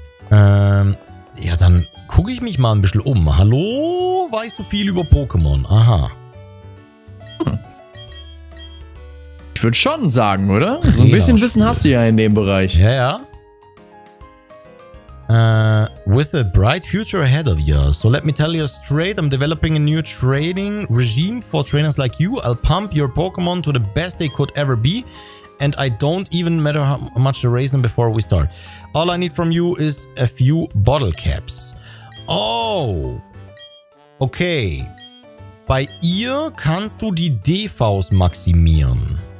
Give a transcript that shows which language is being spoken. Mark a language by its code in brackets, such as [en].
[de] Ja, dann gucke ich mich mal ein bisschen um. Hallo? Weißt du viel über Pokémon? Aha. Hm. Ich würde schon sagen, oder? Trainer so ein bisschen Spiel. Wissen hast du ja in dem Bereich. Ja, ja. [en] With a bright future ahead of you. So let me tell you straight, I'm developing a new training regime for trainers like you. I'll pump your Pokémon to the best they could ever be. And I don't even matter how much to raise them before we start. All I need from you is a few bottle caps. Oh. Okay. [de] Bei ihr kannst du die DVs maximieren.